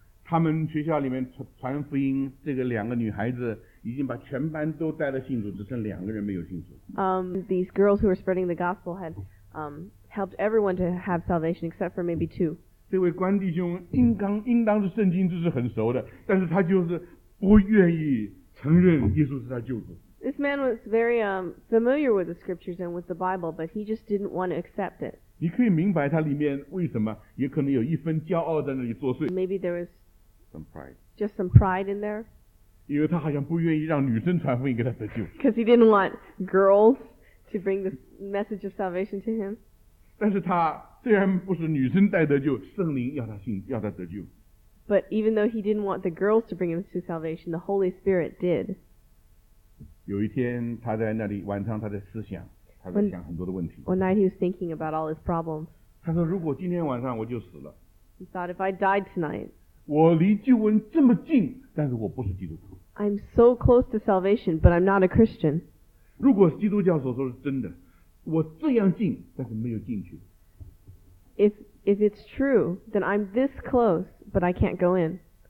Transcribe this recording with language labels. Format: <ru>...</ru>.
<zh>他们学校里面传福音，这个两个女孩子已经把全班都带了信主，只剩两个人没有信主。</zh> <en>These girls who were spreading the gospel had helped everyone to have salvation except for maybe two.</en> <zh>这位关弟兄应当是圣经知识很熟的，但是他就是不愿意承认耶稣是他救主。</zh> <en>This man was very familiar with the scriptures and with the Bible, but he just didn't want to accept it.</en> <zh>你可以明白他里面为什么，也可能有一份骄傲在那里作祟。</zh> <en>Maybe there was some pride. Just some pride in there.</en> <zh>因为他好像不愿意让女生传福音给他得救。</zh> <en>Because he didn't want girls to bring the message of salvation to him.</en> <zh>但是他虽然不是女生带得救，圣灵要他信，要他得救。</zh> <en>But even though he didn't want the girls to bring him to salvation, the Holy Spirit did.</en> <zh>有一天，他在那里晚上，他在思想，他在想很多的问题。</zh> <en>One night he was thinking about all his problems.</en> <zh>他说：“如果今天晚上我就死了。”</zh> <en>He thought, if I died tonight.</en> <zh>我离救恩这么近，但是我不是基督徒。</zh> <en>I'm so close to salvation, but I'm not a Christian.</en> <zh>如果基督教所说是真的，我这样近，但是没有进去。</zh> <en>If it's true, then I'm this close, but I can't go in.</en>